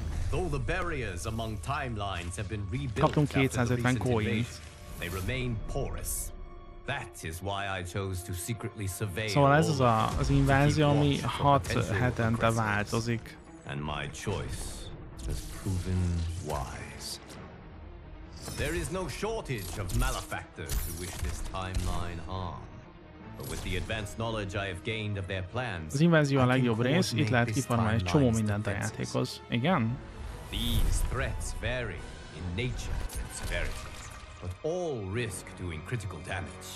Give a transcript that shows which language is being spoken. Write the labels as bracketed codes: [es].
[en] Though the barriers among timelines have been rebuilt after the recent invasion, they remain porous. That is why I chose to secretly survey. [hu] Szóval ez az invázió, ami 6 hetente változik. [en] And my choice has proven wise. There is no shortage of malefactors who wish this timeline harm. But with the advanced knowledge I have gained of their plans, [hu] az invázió a legjobb rész, itt lehet kifarmálni egy csomó mindent a játékhoz. Igen? [en] These threats vary in nature and severity, but all risk doing critical damage.